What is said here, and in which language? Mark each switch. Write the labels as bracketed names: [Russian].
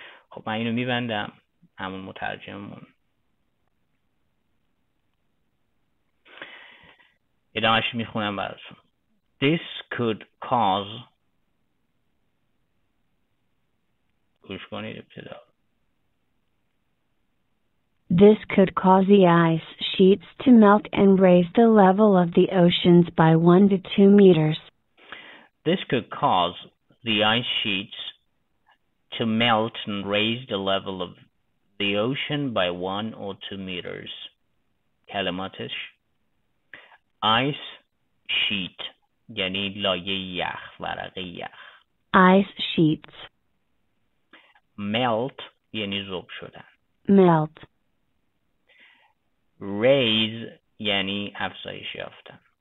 [Persian] خب من اینو میبندم. همون مترجممون ادامهش میخونم براتون. [English] This could cause، [Persian] گوش کنید ابتدا. [English] This could cause the ice sheets to melt and raise the level of the oceans by 1 to 2 meters. This could cause the ice sheets to melt and raise the level of the ocean by 1 or 2 meters. [Persian] کلماتش ice sheet یعنی لایه یخ، ورقه یخ. [English] Ice sheets. [Persian] Melt یعنی ذوب شدن. [English] Melt. [Persian] Raise یعنی افزایش یافتن.